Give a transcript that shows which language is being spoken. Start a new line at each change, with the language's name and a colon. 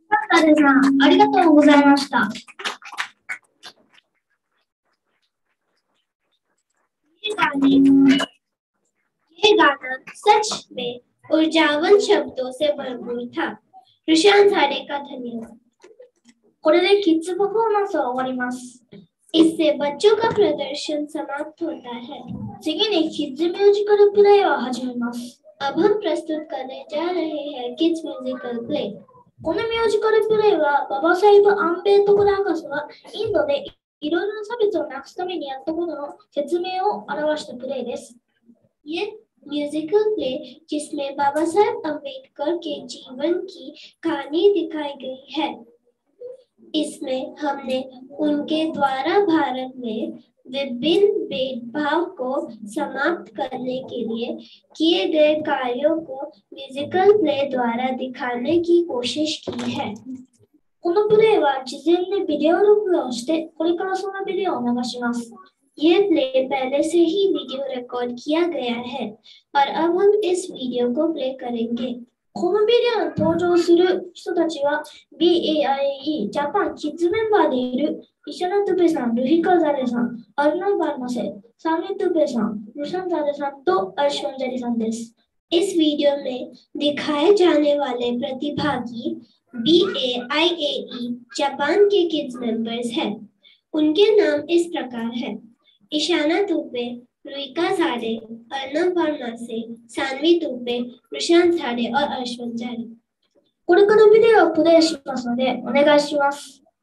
Japanese: カルさん、ありがとうございました。
Hindi: ये गाना सच में ऊर्जावान शब्दों से भरपूर था। रुशान सारे का धन्यवाद।
Japanese: これでキッズパフォーマンスは終わります。
Hindi: इससे बच्चों का प्रदर्शन समाप्त होता है।
Japanese: 次にキッズミュージカルプレイを始めます。
Hindi: अब हम प्रस्तुत करने जा रहे हैं किड्स म्यूजिकल प्ले।
Japanese: このミュージカルプレイは、ババサイブ・アンベートグラーガスはインドでいろいろな差別をなくすためにやったことの説明を表したプレイです。
Hindi: ये म्यूजिकल प्ले जिसमें बाबा साहेब अंबेडकर के जीवन की कहानी दिखाई गई है। इसमें हमने उनके द्वारा भारत में विभिन्न भेदभाव को समाप्त करने के लिए किए गए कार्यों को म्यूजिकल प्ले द्वारा दिखाने की कोशिश की है।
Japanese: このプレイは事前にビデオ録画をして、これからそのビデオを流します。
Hindi: ये प्ले पहले से ही वीडियो रिकॉर्ड किया गया है, पर अब हम इस वीडियो को प्ले करेंगे।
Japanese: このビデオに登場する人たちは BAIE Japan Kids メンバーでいるイシャナトゥペさん、ルヒカザレさん、アルナバルマセ、サミトゥペさん、ルシャンザレさんとアルションザレさんです。
Hindi: इस वीडियो में दिखाए जाने वाले प्रतिभागी BAIAE जापान के किड्स मेंबर्स हैं। उनके नाम इस प्रकार हैं: इशाना तुपे, रुइका झारे, अर्णव वर्मा से, सानवी तुपे, रुशान झारे और अश्वन झारे।
Japanese: これからビデオをプレイしますので、お願いします。